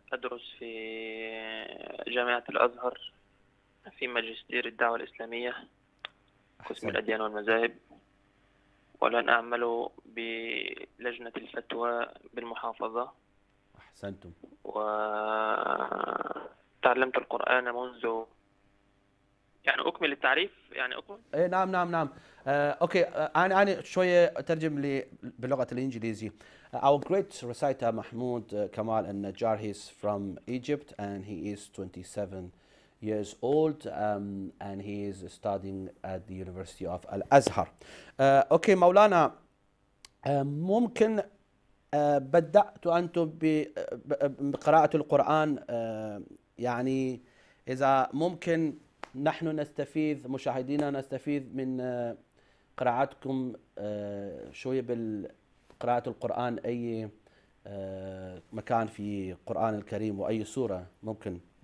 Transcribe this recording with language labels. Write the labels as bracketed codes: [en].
[ar] أدرس في جامعة الأزهر في ماجستير الدعوة الإسلامية قسم الأديان والمذاهب والآن أعمل بلجنة الفتوى بالمحافظة أحسنتم وتعلمت القرآن منذ يعني أكمل التعريف يعني أكمل؟ إيه نعم نعم نعم أوكي أنا شوية أترجم لي باللغة الإنجليزية. [en] Our great reciter Mahmood Kamal and Najjar, he's from Egypt and he is 27 years old and he is studying at the University of Al-Azhar. [ar] Okay, Maulana, ممكن بدأت أنتم بقراءة القرآن يعني إذا ممكن نحن نستفيد مشاهدينا نستفيد من قراءتكم شوية بال قراءة القرآن أي مكان في القرآن الكريم وأي سورة ممكن